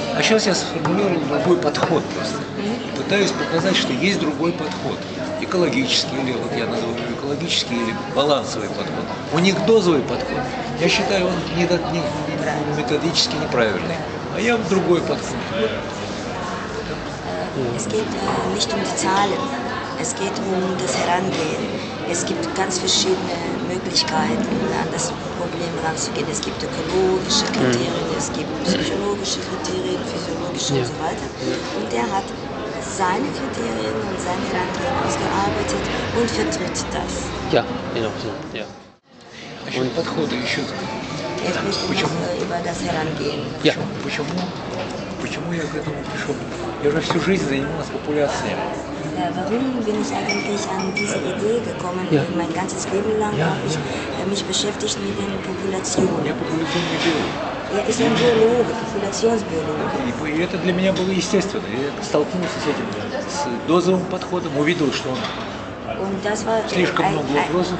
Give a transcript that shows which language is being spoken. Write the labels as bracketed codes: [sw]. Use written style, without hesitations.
[ru] А сейчас я сформулировал другой подход просто. И пытаюсь показать, что есть другой подход. Экологический, или вот я называю экологический, или балансовый подход. У них дозовый подход. Я считаю, он не методически неправильный. А я другой подход. [de] Es geht nicht um die Zahlen, es geht um das Herangehen. Es gibt ganz verschiedene Möglichkeiten, an das Problem ranzugehen. Es gibt ökologische Kriterien, es gibt psychologische Kriterien, physiologische und so weiter. Und der hat seine Kriterien und seine Herangehen ausgearbeitet und vertritt das. Ja, genau so. Ja. Und [ru] подходы еще Я почему? [de] Über das Herangehen. Ja. [ru] Почему? Почему я к этому пришел? Я уже всю жизнь занималась популяцией. [de] Warum bin ich eigentlich an diese Idee gekommen? Ja. Mein ganzes Leben lang habe ich mich beschäftigt mit den Populationen. [ru] Я популяционный биолог. Я сам биолог, популяционсбиолог. И это для меня было естественно. Я столкнулся с этим, с дозовым подходом, увидел, что он слишком много вопросов.